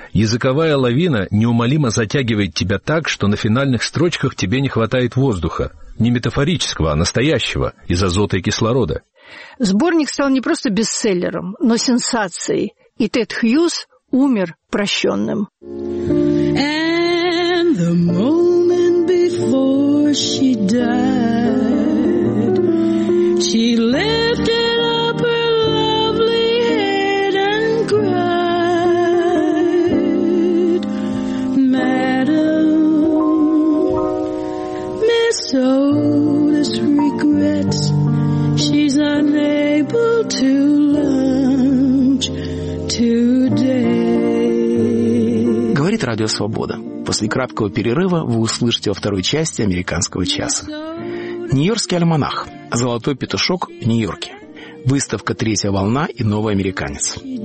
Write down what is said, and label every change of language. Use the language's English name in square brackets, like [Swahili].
[Russian] Языковая лавина неумолимо затягивает тебя так, что на финальных строчках тебе не хватает воздуха. Не метафорического, а настоящего, из азота и кислорода». Сборник стал не просто бестселлером, но сенсацией. И Тед Хьюз умер прощенным. [English] The moment before she died, she lifted up her lovely head and cried, Madam, Miss Otis regrets she's unable to lunch today. [Russian] Говорит Радио Свобода. После краткого перерыва вы услышите во второй части «Американского часа». Нью-Йоркский альманах. Золотой петушок в Нью-Йорке. Выставка «Третья волна» и «Новый американец».